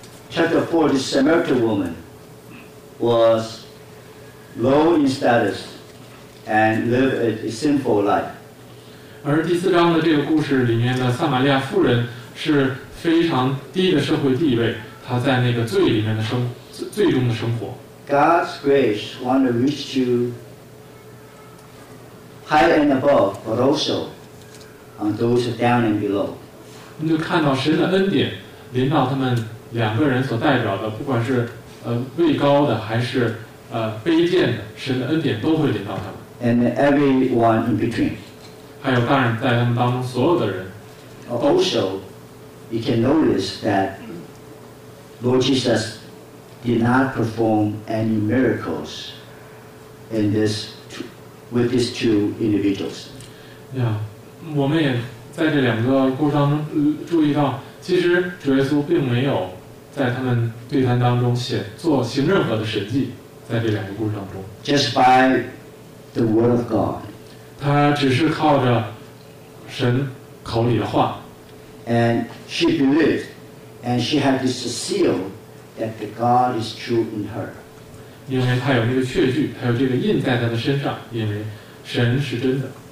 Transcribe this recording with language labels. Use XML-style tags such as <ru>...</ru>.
<en>Chapter 4, this Samaritan woman was low in status and lived a sinful life.</en> <zh>而第四章的这个故事里面的撒玛利亚妇人是非常低的社会地位，她在那个罪里面的生罪中的生活。</zh> <en>God's grace wants to reach you high and above, but also on those down and below.</en> <zh>你就看到神的恩典临到他们两个人所代表的，不管是位高的还是卑贱的，神的恩典都会临到他们。</zh> <en>And everyone in between.</en> <zh>还有当然在他们当中所有的人。</zh> <en>Also, you can notice that Lord Jesus did not perform any miracles in this with these two individuals.</en> <zh>Yeah, 我们也在这两个故事当中注意到，其实主耶稣并没有在他们对谈当中写做行任何的神迹，在这两个故事当中。</zh> <en>Just by the word of God.</en> <zh>他只是靠着神口里的话。</zh> <en>And she believed, and she had this seal that the God is true in her.</en> <zh>因为他有那个确据，他有这个印在他的身上，因为神是真的。</zh>